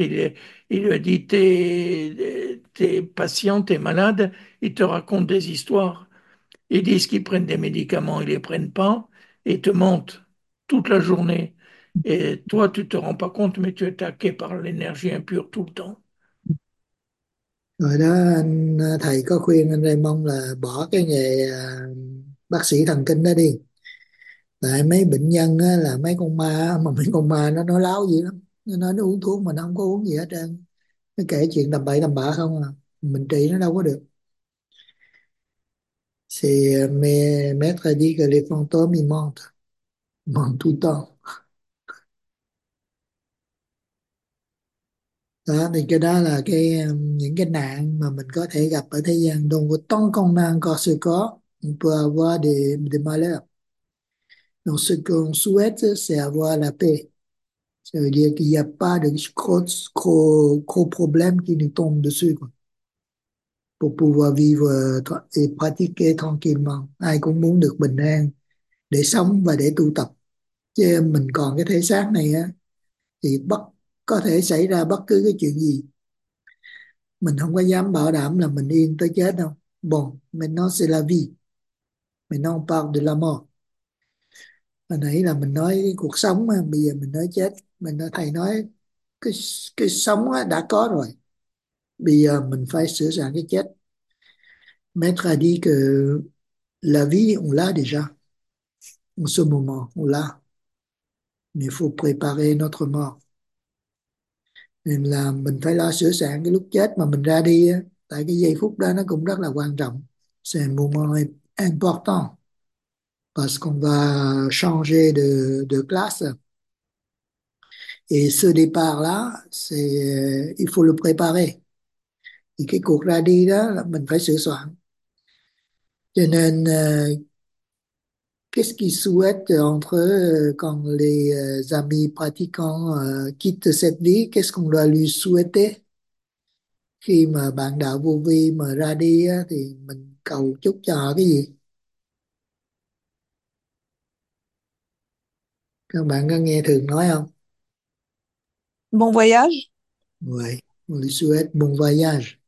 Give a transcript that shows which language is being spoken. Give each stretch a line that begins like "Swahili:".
French: Il lui a dit, tes patients, tes malades, ils te racontent des histoires. Ils disent qu'ils prennent des médicaments, ils ne les prennent pas, et te mentent toute la journée. Et toi, tu ne te rends pas compte, mais tu es attaqué par l'énergie impure tout le temps.
Vietnamese: Rồi đó anh thầy có khuyên anh Raymond là bỏ cái nghề bác sĩ thần kinh đó đi. Tại mấy bệnh nhân á, là mấy con ma, mà mấy con ma nó nói láo gì lắm. Nó uống thuốc mà nó không có uống gì hết trơn. Nó kể chuyện tầm bậy tầm bạ không à. Mình trị nó đâu có được.
French: C'est maître a dit que les fantômes ils mentent. Mentent tout le temps.
Vietnamese: Đó, thì cái đó là cái những cái nạn mà mình có thể gặp ở thế gian.
French: Donc tant qu'on a encore ce corps, on peut avoir des malheurs. Donc ce qu'on souhaite, c'est avoir la paix. Ça veut dire qu'il n'y a pas de gros problèmes qui nous tombent dessus, quoi. Pour pouvoir vivre et pratiquer tranquillement.
Vietnamese: Ai cũng muốn được bình an để sống và để tu tập. Chứ mình còn cái thể xác này á, thì bất có thể xảy ra bất cứ cái chuyện gì, mình không có dám bảo đảm là mình yên tới chết đâu.
French: Bon, mais non, c'est la vie. Mais non, on parle de la mort.
Vietnamese: Hồi nãy là mình nói cái cuộc sống mà, bây giờ mình nói chết. Mình nói, thầy nói cái sống đã có rồi, bây giờ mình phải sửa soạn cái chết.
French: Maître a dit que la vie, on l'a déjà. En ce moment, on l'a. Mais il faut préparer notre mort. Nên là mình phải lo sửa soạn cái lúc chết mà mình ra đi, tại cái giây phút đó nó cũng rất là quan trọng. C'est un moment important. Parce qu'on va changer de classe. Et ce départ-là, c'est il faut le préparer. Et
Vietnamese: cái cuộc ra đi đó là mình phải sửa soạn. Cho nên,
French: qu'est-ce qu'ils souhaitent entre eux quand les amis pratiquants quittent cette vie? Qu'est-ce qu'on doit lui souhaiter?
Vietnamese: Khi mà bạn đạo vô vi mà ra đi thì mình cầu chúc cho họ cái gì? Các bạn có nghe thường nói không?
French: Bon voyage.
Vietnamese: Vậy,
French: on lui souhaite bon voyage.